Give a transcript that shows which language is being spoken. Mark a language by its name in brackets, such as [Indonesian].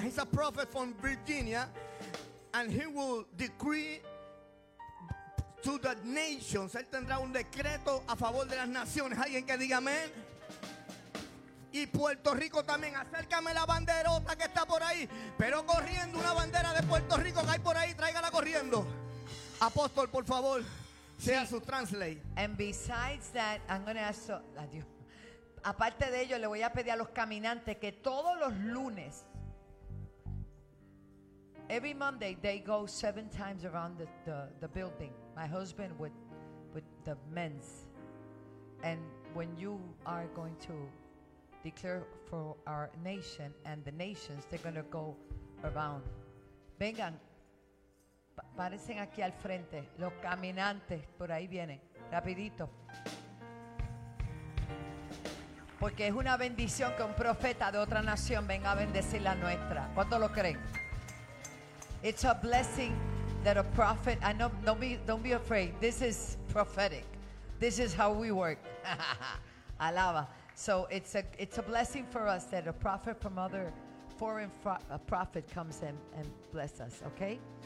[English] He's a prophet from Virginia. And he will decree to the nations. [Spanish] Él tendrá un decreto a favor de las naciones. Alguien que diga amén. y Puerto Rico también. Acércame la banderota que está por ahí, pero corriendo, una bandera de Puerto Rico que hay por ahí, tráigala corriendo. Apóstol, por favor, sea su translate. [English] And besides that, I'm going to ask, adiós. [Spanish] Aparte de ello, le voy a pedir a los caminantes que todos los lunes, [English] every Monday, they go 7 times around the building. My husband with the men's. And when you are going to declare for our nation and the nations, they're going to go around. [Spanish] Vengan. Párense aquí al frente. Los caminantes, por ahí vienen. Rapidito. Porque es una bendición que un profeta de otra nación venga a bendecir la nuestra. ¿Cuánto lo creen? [English] It's a blessing that a prophet, I know, don't be afraid. This is prophetic. This is how we work. Alaba. So it's a blessing for us that a prophet from other foreign a prophet comes in and bless us, okay?